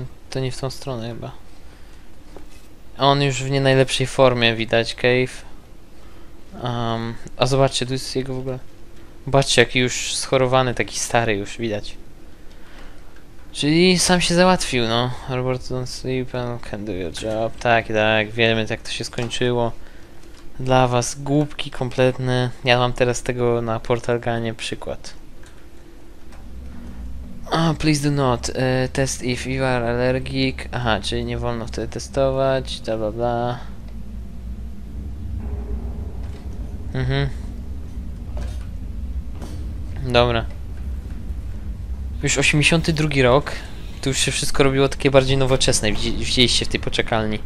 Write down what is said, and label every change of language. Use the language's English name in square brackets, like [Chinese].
[Polish] to nie w tą stronę chyba. On już w nie najlepszej formie widać, Cave. A zobaczcie, tu jest jego w ogóle... Zobaczcie, jaki już schorowany, taki stary już widać. Czyli sam się załatwił, no. [English] Robert don't sleep and can do your job. [Polish] Tak, tak, wiemy jak to się skończyło. Dla was głupki kompletne. Ja mam teraz tego na Portal Gunie przykład. [English] Oh, please do not test if you are allergic. [Polish] Aha, czyli nie wolno wtedy testować, bla bla bla. Mhm. Dobra. Już 82 rok, tu już się wszystko robiło takie bardziej nowoczesne, widzieliście w tej poczekalni.